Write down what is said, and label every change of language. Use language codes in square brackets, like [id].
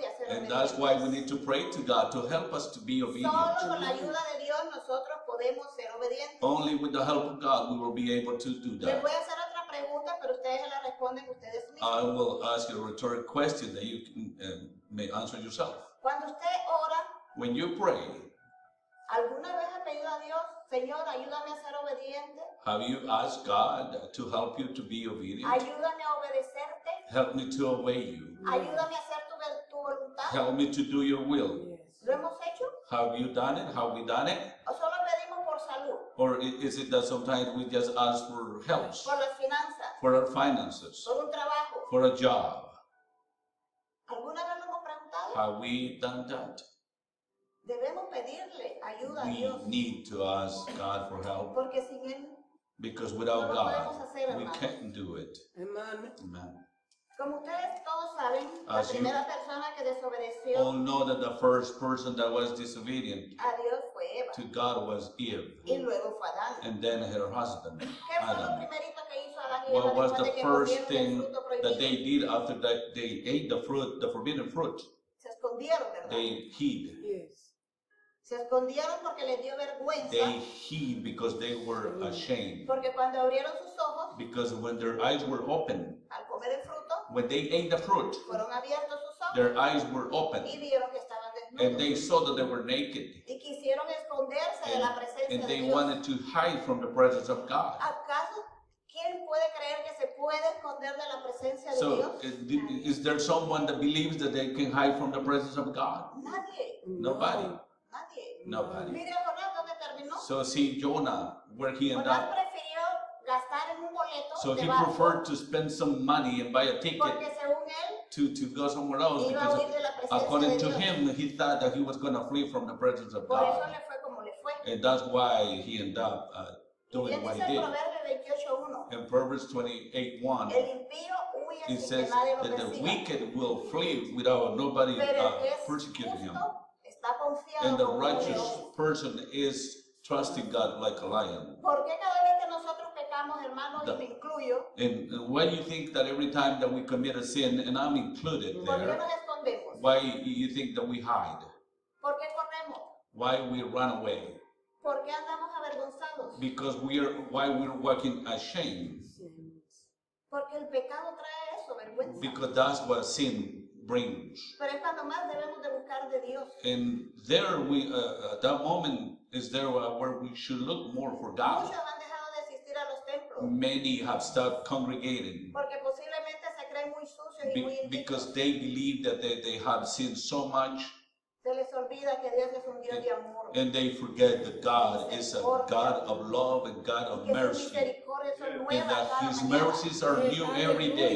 [en] And that's why we need to pray to God to help us to be obedient. [es] Solo con la ayuda de Dios nosotros podemos ser obedientes. [en] Only with the help of God we will be able to do that. [es] Les voy a hacer otra pregunta, pero ustedes la responden ustedes mismos. [en] I will ask you a rhetorical question that you can, may answer yourself. [es] Cuando usted ora, [en] when you pray, [es] ¿alguna vez ha pedido a Dios, Señor, ayúdame a ser obediente? [en] Have you asked God to help you to be obedient? [es] Ayúdame a obedecerte. [en] Help me to obey you. [es] Ayúdame a hacer tu voluntad. [en] Help me to do your will. [es] Yes. ¿Lo hemos hecho? [en] Have you done it? Have we done it? [es] ¿O solo pedimos por salud? [en] Or is it that sometimes we just ask for help? [es] Por las finanzas. [en] For our finances. [es] Por un trabajo. [en] For a job. [es] ¿Alguna vez lo hemos preguntado? [en] Have we done that? [es] Debemos pedirle ayuda [en] we [es] a Dios. [en] We need to ask God for help. [es] Porque sin él, [en] because without [es] no [en] God, [es] hacer, [en] we can't do it. Amen. Amen. [es] Como ustedes todos saben, as la primera persona que desobedeció, [en] all know that the first person that was disobedient [es] a Dios fue Eva. [en] To God was Eve. [es] Y luego fue Adán. [en] And then her husband, Adam. [es] ¿Qué fue lo primerito que hizo Adán y Eva? [en] What was the first thing that they did after that they ate the fruit, the forbidden fruit? [es] Se escondieron, ¿verdad? [en] They hid. Yes. [es] Se escondieron porque les dio vergüenza. [en] They hid because they were ashamed. [es] Porque cuando abrieron sus ojos. [en] Because when their eyes were open. [es] Al comer el fruto. [en] When they ate the fruit. [es] Fueron abiertos sus ojos. [en] Their eyes were open. [es] Y vieron que estaban desnudos. [en] And they saw that they were naked. [es] Y quisieron esconderse de la presencia de Dios. [en] And they wanted to hide from the presence of God. [es] ¿Acaso quién puede creer que se puede esconder de la presencia de Dios? [en] So, is there someone that believes that they can hide from the presence of God? [es] Nadie. [en] Nobody. [es] No. [en] Nobody. [es] Mira Jonás dónde terminó. [en] So see Jonah, where he ended up. [es] Jonás prefirió gastar en un boleto. [en] So he preferred to spend some money and buy a ticket. [es] Porque según él. [en] To go somewhere else. [es] Iba a huir de la presencia de Dios. [en] According to him, he thought that he was going to flee from the presence of God. [es] Por eso le fue como le fue. [en] And that's why he ended up doing what he did. In Proverbs 28:1, it says that the wicked will flee without nobody persecuting him. And the righteous person is trusting God like a lion. [es] ¿Por qué cada vez que nosotros pecamos, hermanos, y me incluyo? [en] And why do you think that every time that we commit a sin, and I'm included there, why do you think that we hide? [es] ¿Por qué corremos? [en] Why we run away? [es] ¿Por qué andamos avergonzados? [en] Because we are, why we're walking ashamed. [es] Porque el pecado trae eso, vergüenza. [en] Because that's what sin brings. [es] Pero es cuando más debemos de buscar de Dios. [en] And there we, that moment is there where we should look more for God. [es] Muchos han dejado de asistir a los templos. [en] Many have stopped congregating. [es] Porque posiblemente se creen muy sucios y muy indignos. [en] Because they believe that they have sinned so much. [es] Se les olvida que Dios es un Dios de amor. [en] And they forget that God is a God of love and God of mercy. And that His mercies are new every day.